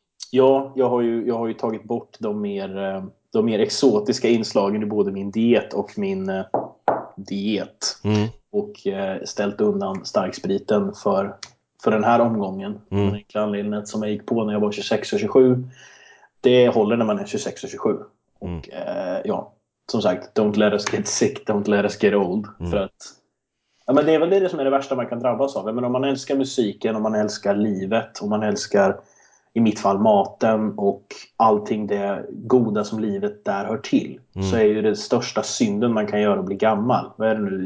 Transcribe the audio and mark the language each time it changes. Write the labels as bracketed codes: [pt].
[sv] Ja, jag har ju tagit bort de mer exotiska inslagen i både min diet och min diet. Och ställt undan starkspriten för den här omgången. Den enkla anledningen som jag gick på när jag var 26 och 27, det håller när man är 26 och 27. Och ja, som sagt, [en] don't let us get sick, don't let us get old. [sv] För att, ja, men det är väl det som är det värsta man kan drabbas av. Men om man älskar musiken, om man älskar livet, om man älskar, i mitt fall, maten och allting det goda som livet där hör till, så är ju det största synden man kan göra att bli gammal. Vad är det nu?